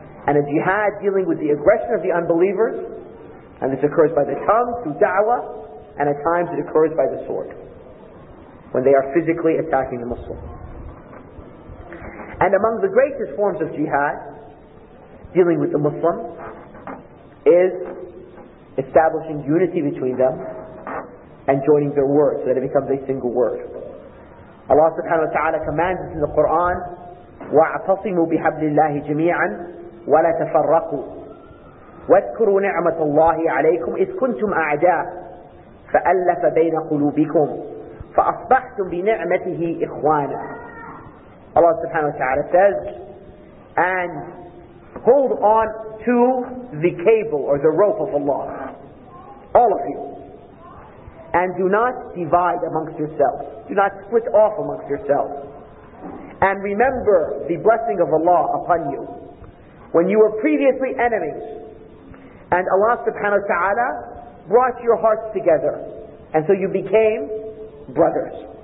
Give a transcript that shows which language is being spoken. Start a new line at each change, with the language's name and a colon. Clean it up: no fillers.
English: And a jihad dealing with the aggression of the unbelievers, and this occurs by the tongue, through da'wah, and at times it occurs by the sword, when they are physically attacking the Muslim. And among the greatest forms of jihad dealing with the Muslims is establishing unity between them and joining their word so that it becomes a single word.
Arabic: Allah subhanahu wa ta'ala commands us in the Quran, وَاعْتَصِمُوا بِحَبْلِ اللَّهِ جَمِيعًا وَلَا تَفَرَّقُوا وَاذْكُرُوا نِعْمَةَ اللَّهِ عَلَيْكُمْ إِذْ كُنْتُمْ أَعْدَاءً فَأَلَّفَ بَيْنَ قُلُوبِكُمْ فَأَصْبَحْتُمْ بِنِعْمَتِهِ إِخْوَانًا.
English: Allah subhanahu wa ta'ala says, and hold on to the cable or the rope of Allah, all of you, and do not divide amongst yourselves, do not split off amongst yourselves, and remember the blessing of Allah upon you when you were previously enemies and Allah subhanahu wa ta'ala brought your hearts together and so you became brothers.